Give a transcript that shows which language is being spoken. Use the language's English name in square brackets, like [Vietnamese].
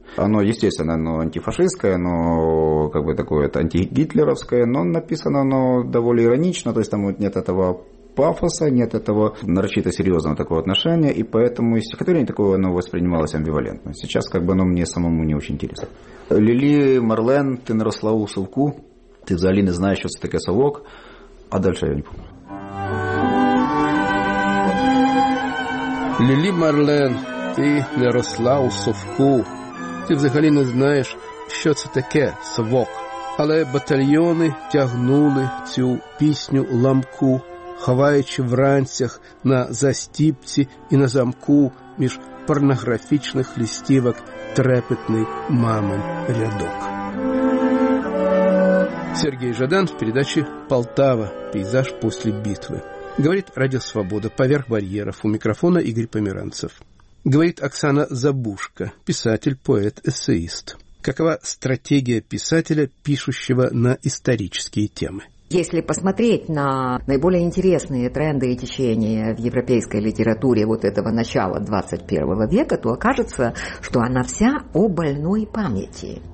[Russian] Оно, естественно, оно антифашистское, оно как бы такое-то антигитлеровское, но написано оно довольно иронично, то есть там вот нет этого пафоса, нет этого нарочито серьезного такого отношения, и поэтому и стихотворение такое, оно воспринималось амбивалентно. Сейчас как бы оно мне самому не очень интересно. «Лили Марлен, ты наросла у совку, ты взагалі не знаешь, что это такое совок», а дальше я не помню. [Ukrainian] «Лили Марлен, ты наросла у совку, ты взагалі не знаешь, [Russian] что это такое совок, [Ukrainian] але батальоны тягнули цю пісню ламку, ховаючи в ранцях на застіпці і на замку між порнографічних листівок трепетний мамин рядок». Сергей Жадан в передачі «Полтава. [Russian] Пейзаж после битвы». Говорит Радио Свобода «Поверх барьеров». У микрофона Игорь Померанцев. Говорит Оксана Забушко, писатель, поэт, эссеист. Какова стратегия писателя, пишущего на исторические темы? Если посмотреть на наиболее интересные тренды и течения в европейской литературе вот этого начала 21 века, то окажется, что она вся о больной памяти.